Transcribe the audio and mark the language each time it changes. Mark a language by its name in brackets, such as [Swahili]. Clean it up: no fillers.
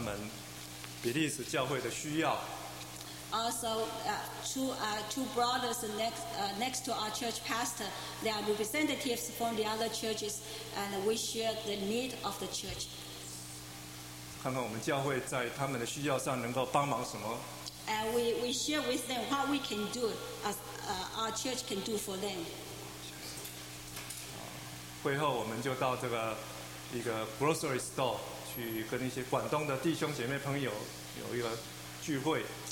[Chinese] 还有两个教会的代表，张弟兄、彭弟兄、子树的主义，我们在讨论他们比利时教会的需要。 [English] Also, two brothers next to our church pastor, they are representatives from the other churches, and we share the need of the church. [Chinese] 看看我们教会在他们的需要上能够帮忙什么。 [English] And we share with them what we can do as our church can do for them. [Chinese] 会后我们就到这个一个 grocery store 去跟一些广东的弟兄姐妹朋友有一个聚会。